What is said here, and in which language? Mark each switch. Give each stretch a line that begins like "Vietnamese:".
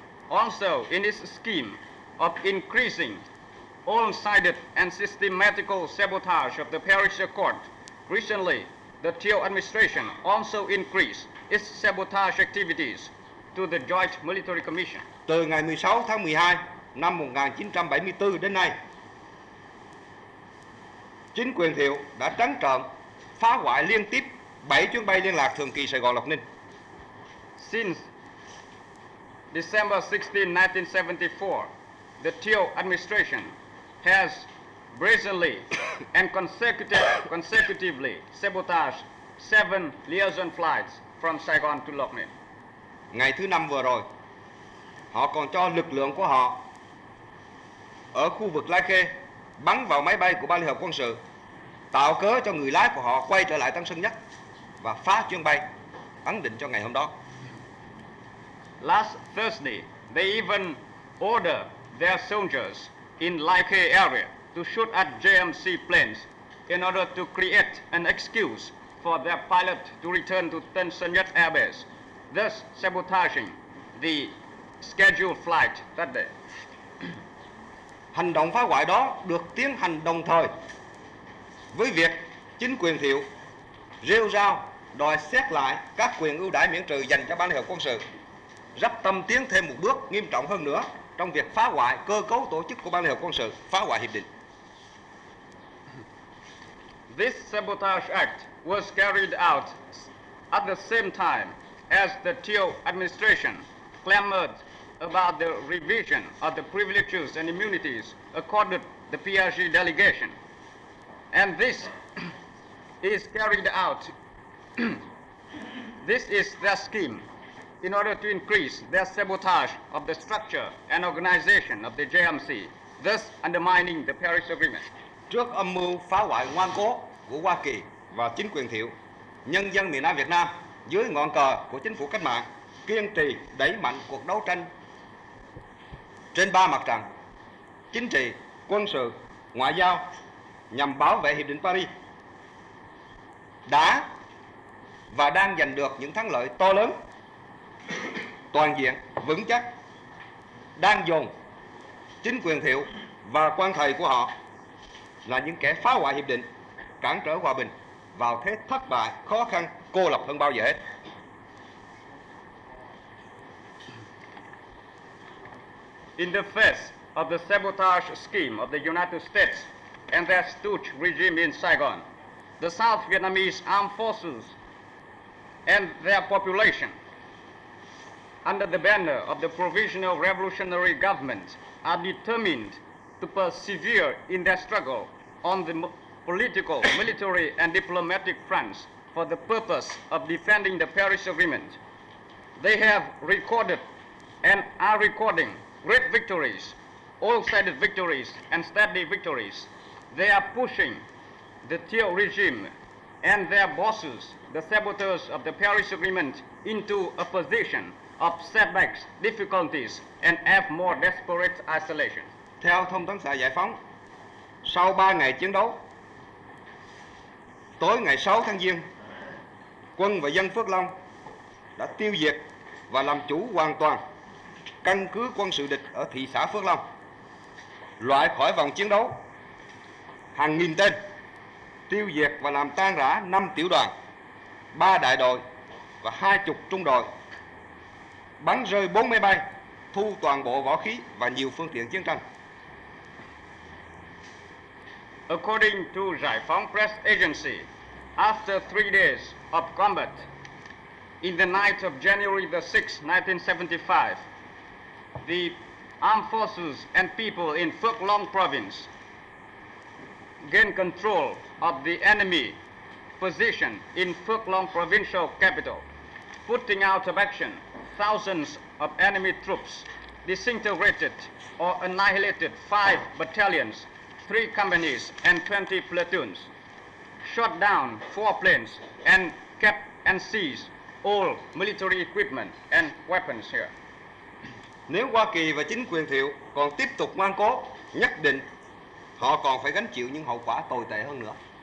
English: Also, in this scheme of increasing all-sided and systematical sabotage of the Paris Accord, recently the Thiệu administration also increased its sabotage activities to the Joint Military Commission.
Vietnamese: Từ ngày 16 tháng 12 năm 1974 đến nay, chính quyền Thiệu đã trắng trợn phá hoại liên tiếp 7 chuyến bay liên lạc thường kỳ Sài Gòn-Lộc Ninh.
English: Since December 16, 1974, the Thiệu administration has brazenly and consecutively sabotaged 7 liaison flights from Saigon to Lộc Ninh.
Vietnamese: Ngày thứ năm vừa rồi, họ còn cho lực lượng của họ ở khu vực Lai Khê bắn vào máy bay của Ban Liên Hợp Quân sự, tạo cớ cho người lái của họ quay trở lại Tân Sơn Nhất và phá chuyến bay, ấn định cho ngày hôm đó.
English: Last Thursday, they even ordered their soldiers in Lai Khe area to shoot at JMC planes in order to create an excuse for their pilot to return to Tân Sơn Nhất Air Base, thus sabotaging the scheduled flight that day.
Vietnamese: Hành động phá hoại đó được tiến hành đồng thời với việc chính quyền Thiệu rêu rao đòi xét lại các quyền ưu đãi miễn trừ dành cho Ban Liên Hợp Quân sự, rất tâm tiến thêm một bước nghiêm trọng hơn nữa trong việc phá hoại cơ cấu tổ chức của Ban Liên Hợp Quân sự, phá hoại hiệp định.
English: This sabotage act was carried out at the same time as the Thiệu administration clamored about the revision of the privileges and immunities accorded the PRG delegation. And this is carried out. This is their scheme in order to increase their sabotage of the structure and organization of the JMC, thus undermining the Paris Agreement.
Vietnamese: Trước âm mưu phá hoại ngoan cố của Hoa Kỳ và chính quyền Thiệu, nhân dân miền Nam Việt Nam dưới ngọn cờ của chính phủ cách mạng kiên trì đẩy mạnh cuộc đấu tranh trên ba mặt trận chính trị, quân sự, ngoại giao nhằm bảo vệ Hiệp định Paris, đã và đang giành được những thắng lợi to lớn, toàn diện, vững chắc, đang dồn chính quyền Thiệu và quan thầy của họ là những kẻ phá hoại hiệp định, cản trở hòa bình vào thế thất bại, khó khăn, cô lập hơn bao giờ hết.
English: In the face of the sabotage scheme of the United States and their stooge regime in Saigon, the South Vietnamese armed forces and their population, under the banner of the Provisional Revolutionary Government, are determined to persevere in their struggle on the political, military, and diplomatic fronts for the purpose of defending the Paris Agreement. They have recorded and are recording great victories, all-sided victories, and steady victories. They are pushing the Thiệu regime and their bosses, the saboteurs of the Paris Agreement, into a position of setbacks, difficulties, and ever more desperate isolation.
Vietnamese: Theo Thông tấn xã Giải phóng, sau 3 ngày chiến đấu, tối ngày 6 tháng Giêng, quân và dân Phước Long đã tiêu diệt và làm chủ hoàn toàn căn cứ quân sự địch ở thị xã Phước Long, loại khỏi vòng chiến đấu hàng nghìn tên, tiêu diệt và làm tan rã 5 tiểu đoàn, 3 đại đội và 20 trung đội, bắn rơi 4 máy bay, thu toàn bộ võ khí và nhiều phương tiện chiến tranh.
English: According to Giải phóng Press Agency, after 3 days of combat, in the night of January the 6th, 1975, the armed forces and people in Phước Long province gained control of the enemy position in Phước Long provincial capital, putting out of action thousands of enemy troops, disintegrated or annihilated 5 battalions, 3 companies and 20 platoons, shot down 4 planes and kept and seized all military equipment and weapons here.
Vietnamese: Nếu Hoa Kỳ và chính quyền Thiệu còn tiếp tục ngoan cố, nhất định họ còn phải gánh chịu những hậu quả tồi tệ hơn nữa.